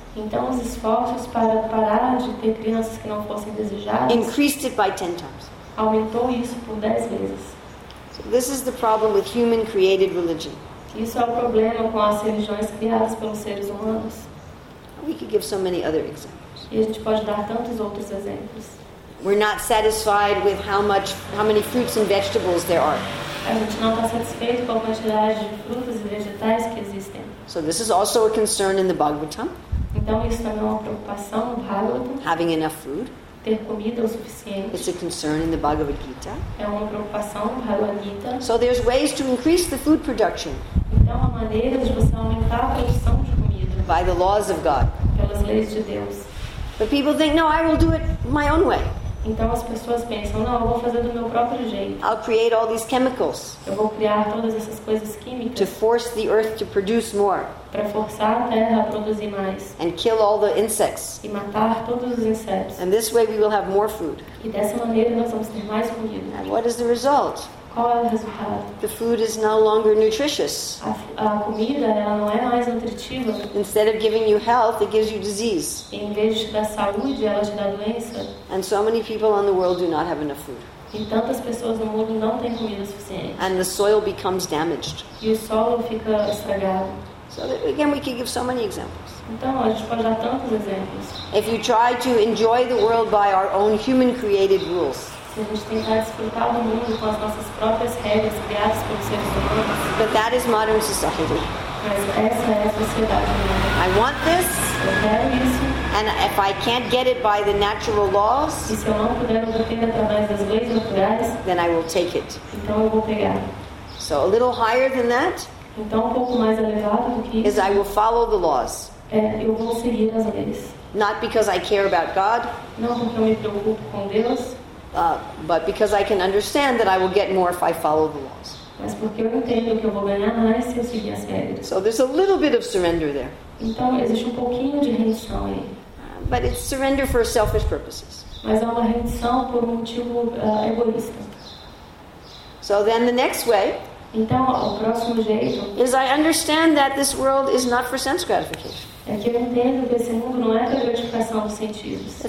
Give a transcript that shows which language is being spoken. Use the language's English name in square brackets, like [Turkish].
[Portuguese] então os esforços para parar de ter crianças que não fossem desejadas, [English] increased it by 10 times. [Portuguese] Aumentou isso por 10 vezes. [English] So this is the problem with human created religion. [Portuguese] Isso é o problema com as religiões criadas pelos seres humanos. [English] We could give so many other examples. [Portuguese] E a gente pode dar tantos outros exemplos. [English] We're not satisfied with how many fruits and vegetables there are. [Portuguese] A gente não está satisfeito com a quantidade de frutas e vegetais que existem. [English] So this is also a concern in the Bhagavatam. [Portuguese] Então isso também é uma preocupação no Bhagavatam. [English] Having enough food. [Portuguese] Ter comida o suficiente. [English] It's a concern in the Bhagavad Gita. [Portuguese] É uma preocupação no Bhagavad Gita. [English] So there's ways to increase the food production. [Portuguese] Então há maneiras de você aumentar a produção de comida. [English] By the laws of God. [Portuguese] Pelas leis de Deus. [English] But people think, no, I will do it my own way. [Portuguese] Então as pessoas pensam, não, eu vou fazer do meu próprio jeito. [English] I'll create all these chemicals. [Portuguese] Eu vou criar todas essas coisas químicas. [English] To force the earth to produce more. [Portuguese] Para forçar a terra a produzir mais. [English] And kill all the insects. [Portuguese] E matar todos os insetos. [English] And this way we will have more food. [Portuguese] E dessa maneira nós vamos ter mais comida. [English] And what is the result? [Portuguese] Qual é o resultado? [English] The food is no longer nutritious. [Portuguese] A comida ela não é mais nutritiva. [English] Instead of giving you health, it gives you disease. [Portuguese] Em vez de dar saúde, ela te dá doença. [English] And so many people on the world do not have enough food. [Portuguese] E tantas pessoas no mundo não têm comida suficiente. [English] And the soil becomes damaged. [Portuguese] E o solo fica estragado. [English] So that, again, we can give so many examples. [Portuguese] Então, a gente pode dar tantos exemplos. [English] If you try to enjoy the world by our own human-created rules. [Portuguese] A gente tentar desfrutar do mundo com as nossas próprias regras criadas pelos seres humanos. [English] But that is modern society. [Portuguese] Mas essa é a sociedade moderna. [English] I want this. [Portuguese] Eu quero isso. [English] And if I can't get it by the natural laws, [Portuguese] e se eu não puder obter através das leis naturais, [English] then I will take it. [Portuguese] Então eu vou pegar. [English] So a little higher than that, [Portuguese] então um pouco mais elevado do que isso, [English] is I will follow the laws. [Portuguese] É, eu vou seguir as leis. [English] Not because I care about God. [Portuguese] Não porque eu me preocupo com Deus. [English] But because I can understand that I will get more if I follow the laws. [Portuguese] Mas porque eu entendo que eu vou ganhar mais se eu seguir as regras. [English] So there's a little bit of surrender there. [Portuguese] Então existe um pouquinho de rendição aí. [English] But it's surrender for selfish purposes. [Portuguese] Mas é uma rendição por motivo egoísta. [English] So then the next way. [Portuguese] Então o próximo jeito. [English] Is I understand that this world is not for sense gratification. [Portuguese] É que eu entendo que esse mundo não é para gratificação dos sentidos.